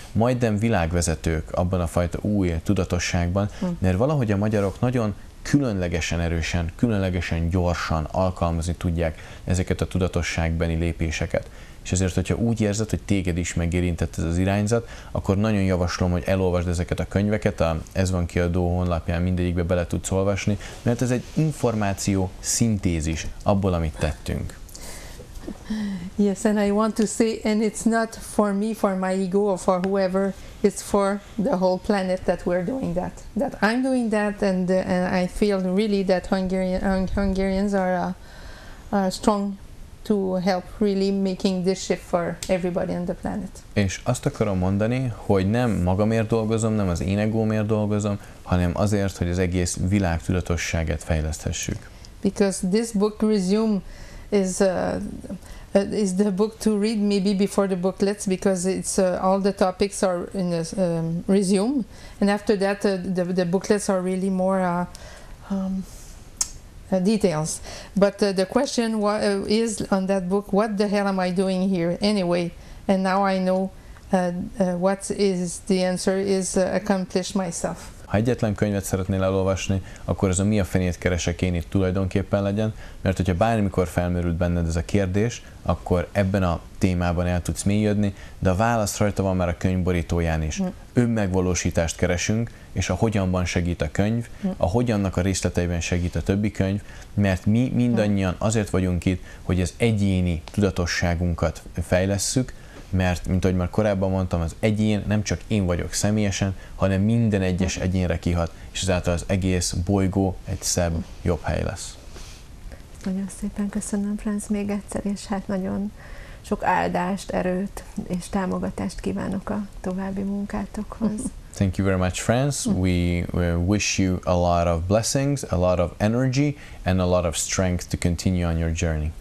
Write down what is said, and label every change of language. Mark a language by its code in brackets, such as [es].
[hu] Majdnem világvezetők abban a fajta új tudatosságban, mert valahogy a magyarok nagyon különlegesen erősen, különlegesen gyorsan alkalmazni tudják ezeket a tudatosságbeni lépéseket. És ezért, hogyha úgy érzed, hogy téged is megérintett ez az irányzat, akkor nagyon javaslom, hogy elolvasd ezeket a könyveket, a Ez van kiadó honlapján mindegyikbe bele tudsz olvasni, mert ez egy információ szintézis abból, amit tettünk. [en] Yes, and I want to say, and it's not for me, for my ego, or for whoever, it's for the whole planet that we're doing that. That I'm doing that, and I feel really that Hungarians are strong to help really making this shift for everybody on the planet. [hu] És azt akarom mondani, hogy nem magamért dolgozom, nem az én egómért dolgozom, hanem azért, hogy az egész világ tudatosságát fejleszthessük. [en] Because this book resume is the book to read maybe before the booklets, because it's all the topics are in the resume, and after that the booklets are really more details. But the question is on that book, what the hell am I doing here anyway? And now I know what is the answer is accomplish myself. [hu] Ha egyetlen könyvet szeretnél elolvasni, akkor ez a mi a fenét keresek én itt tulajdonképpen legyen, mert hogyha bármikor felmerült benned ez a kérdés, akkor ebben a témában el tudsz mélyödni, de a válasz rajta van már a könyv borítóján is. Önmegvalósítást keresünk, és a hogyanban segít a könyv, a hogyannak a részleteiben segít a többi könyv, mert mi mindannyian azért vagyunk itt, hogy az egyéni tudatosságunkat fejlesszük, mert, mint ahogy már korábban mondtam, az egyén nem csak én vagyok személyesen, hanem minden egyes egyénre kihat, és ezáltal az egész bolygó egy szebb, jobb hely lesz. Nagyon szépen köszönöm, Franz, még egyszer, és hát nagyon sok áldást, erőt és támogatást kívánok a további munkátokhoz. [en] Thank you very much, Franz. We wish you a lot of blessings, a lot of energy, and a lot of strength to continue on your journey.